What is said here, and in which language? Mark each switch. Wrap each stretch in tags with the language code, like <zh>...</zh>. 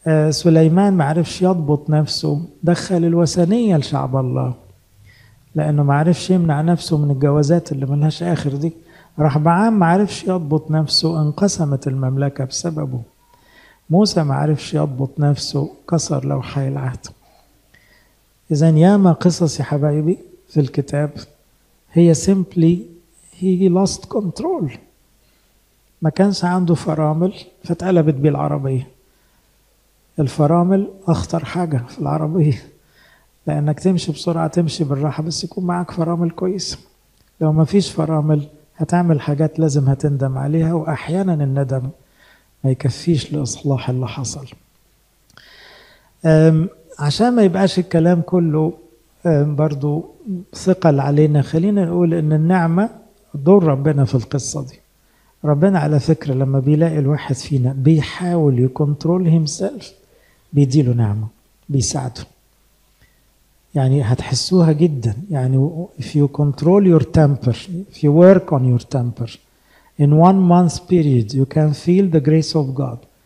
<ar>سليمان ما عرفش يضبط نفسه، دخل الوثنيه لشعب الله، لانه ما عرفش يمنع نفسه من الجوازات اللي ملهاش اخر دي. رحبعام ما عرفش يضبط نفسه، انقسمت المملكة بسببه. موسى ما عرفش يضبط نفسه، كسر لوحي العهد. إذن يا ما قصص يا حبايبي في الكتاب هي</ar> <en>simply he lost control.</en> <ar>ما كانش عنده فرامل فتقلبت بيه العربية. الفرامل أخطر حاجة في العربية، لأنك تمشي بسرعة تمشي بالراحة، بس يكون معك فرامل كويس. لو ما فيش فرامل هتعمل حاجات لازم هتندم عليها، وأحيانا الندم ما يكفيش لإصلاح اللي حصل. عشان ما يبقاش الكلام كله برضو ثقل علينا، خلينا نقول إن النعمة دور ربنا في القصة دي. ربنا على فكرة لما بيلاقي الواحد فينا بيحاول</ar> <en>يكنترول هيمسيلف</en> <ar>بيديله نعمة، بيساعده. يعني هتحسوها جدا، يعني</ar> <en>if you control your temper, if you work on your temper, in 1 month period you can feel the grace of God.</en>